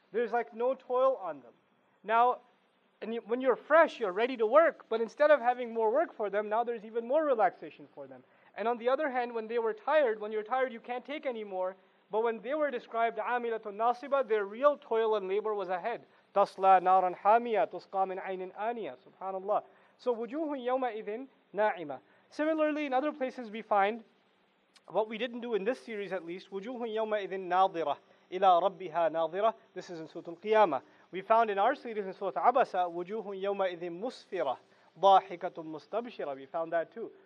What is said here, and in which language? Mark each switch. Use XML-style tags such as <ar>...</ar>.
<en>There's like no toil on them. Now, and when you're fresh, you're ready to work. But instead of having more work for them, now there's even more relaxation for them. And on the other hand, when they were tired, when you're tired, you can't take anymore. But when they were described,</en> <ar>عَامِلَةٌ نَاصِبَةٌ,</ar> <en>their real toil and labor was ahead.</en> <ar>تَصْلَى نَارًا حَامِيَةً تُسْقَى مِنْ عَيْنٍ آنِيَةً. Subhanallah.</ar> <en>So</en> <ar>وُجُوهٌ يَوْمَئِذٍ نَاعِمَةٌ.</ar> <en>Similarly, in other places we find, what we didn't do in this series at least,</en> <ar>وُجُوهٌ يَوْمَئِذٍ نَاظِرَةٌ إِلَى رَبِّهَا نَاظِرَةٌ.</ar> <en>This is in Surah Al-Qiyamah. We found in our series in Surah Abasa,</en> <ar>وُجُوهٌ يَوْمَئِذٍ مُسْفِرَةٌ ضَاحِكَةٌ مُسْتَبْشِرَةٌ.</ar> <en>We found that too.</en>